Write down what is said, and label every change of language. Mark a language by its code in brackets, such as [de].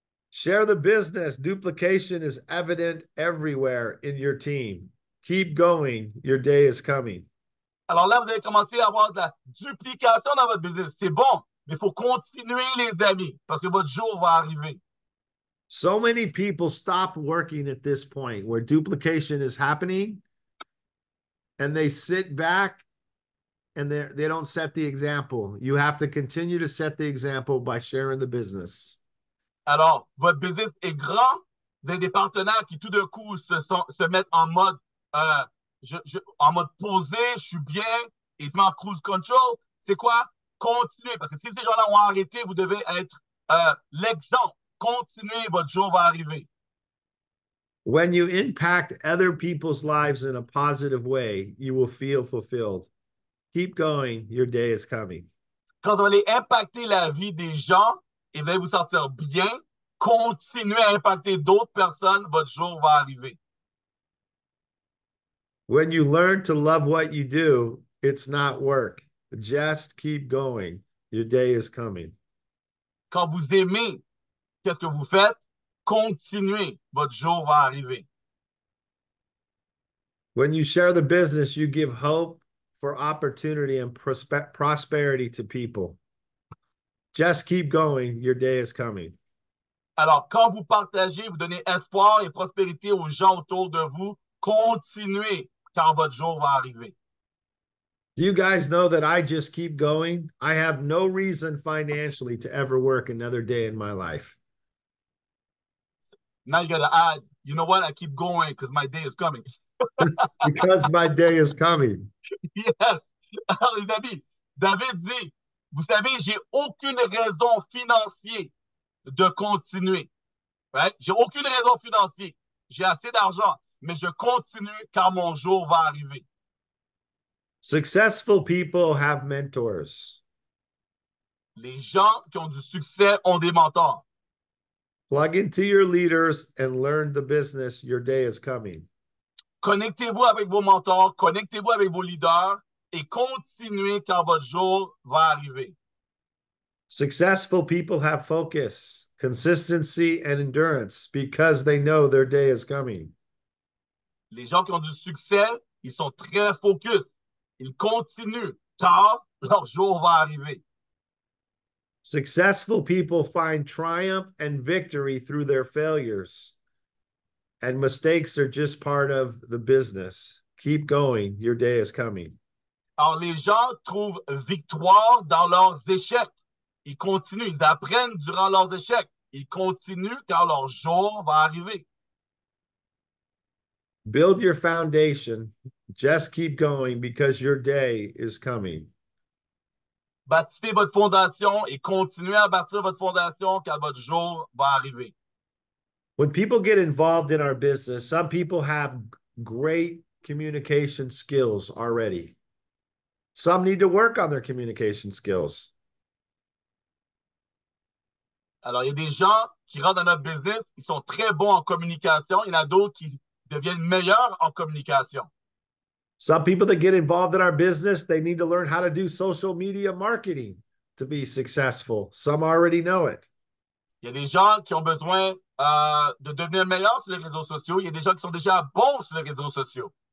[en] Share the business. Duplication is evident everywhere in your team. Keep going. Your day is coming. [fr] Alors là, vous allez commencer à avoir de la duplication dans votre business. C'est bon. Mais il faut continuer, les amis, parce que votre jour va arriver. [en] So many people stop working at this point where duplication is happening and they sit back and they don't set the example. You have to continue to set the example by sharing the business. [fr] Alors, votre business est grand. Vous avez des partenaires qui tout d'un coup se mettent en mode, en mode posé, je suis bien, ils se mettent en cruise control. C'est quoi? Continuez, parce que si ces gens-là ont arrêté, vous devez être l'exemple. Continuez, votre jour va arriver. [en] When you impact other people's lives in a positive way, you will feel fulfilled. Keep going, your day is coming. [fr] Quand vous allez impacter la vie des gens et vous allez vous sentir bien, continuez à impacter d'autres personnes, votre jour va arriver. [en] When you learn to love what you do, it's not work. Just keep going. Your day is coming. [fr] Quand vous aimez, qu'est-ce que vous faites? Continuez. Votre jour va arriver. [en] When you share the business, you give hope for opportunity and prosperity to people. Just keep going. Your day is coming. [fr] Alors, quand vous partagez, vous donnez espoir et prospérité aux gens autour de vous, continuez car votre jour va arriver. [en] Do you guys know that I just keep going? I have no reason financially to ever work another day in my life. Now you gotta add, you know what? I keep going because my day is coming. Because my day is coming. Yes. [fr] Alors, les amis, David dit, vous savez, j'ai aucune raison financière de continuer. Right? J'ai aucune raison financière. J'ai assez d'argent, mais je continue car mon jour va arriver. [en] Successful people have mentors. [fr] Les gens qui ont du succès ont des mentors. [en] Plug into your leaders and learn the business. Your day is coming. [fr] Connectez-vous avec vos mentors, connectez-vous avec vos leaders et continuez car votre jour va arriver. [en] Successful people have focus, consistency and endurance because they know their day is coming. [fr] Les gens qui ont du succès, ils sont très focus. Ils continuent car leur jour va arriver. [en] Successful people find triumph and victory through their failures. And mistakes are just part of the business. Keep going. Your day is coming. [fr] Alors, les gens trouvent victoire dans leurs échecs. Ils continuent. Ils apprennent durant leurs échecs. Ils continuent car leur jour va arriver. [en] Build your foundation. Just keep going because your day is coming. [fr] Bâtissez votre fondation et continuez à bâtir votre fondation car votre jour va arriver. [en] When people get involved in our business, some people have great communication skills already. Some need to work on their communication skills. [fr] Alors, il y a des gens qui rentrent dans notre business, ils sont très bons en communication. Il y en a d'autres qui deviennent meilleurs en communication. [en] Some people that get involved in our business, they need to learn how to do social media marketing to be successful. Some already know it. [fr] Il y a des gens qui ont besoin de devenir meilleurs sur les réseaux sociaux. Il y a des gens qui sont déjà bons sur les réseaux sociaux.